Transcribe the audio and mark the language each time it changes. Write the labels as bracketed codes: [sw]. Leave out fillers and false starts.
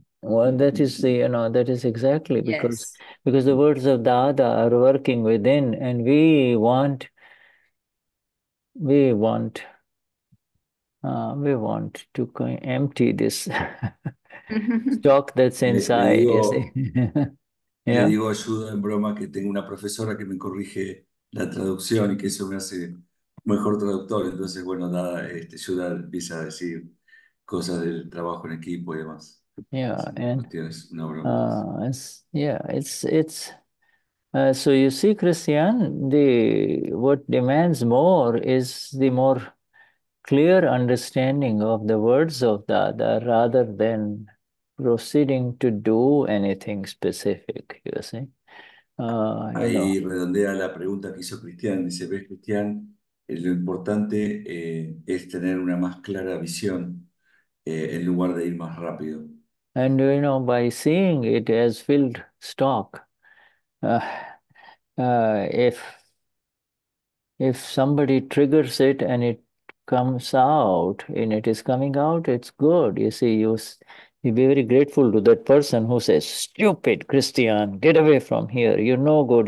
[en] Well, that is exactly because the words of Dada are working within, and we want to empty this stock that's inside. [es] Le digo, [en] you see? Yeah. [es] Le digo a Shuddha en broma que tengo una profesora que me corrige la traducción y que eso me hace mejor traductor. Entonces, bueno, Dada, Shuddha empieza a decir cosas del trabajo en equipo y demás. [en] So you see, Cristian, what demands more is the more clear understanding of the words of Dada rather than proceeding to do anything specific, you see. [es] Ahí redondea la pregunta que hizo Cristian. Dice, ¿ves, Cristian? Lo importante es tener una más clara visión en lugar de ir más rápido. [en] And you know, by seeing it as filled stock, if somebody triggers it and it comes out and it is coming out, it's good. You see, you be very grateful to that person who says, "Stupid Christian, get away from here. You're no good.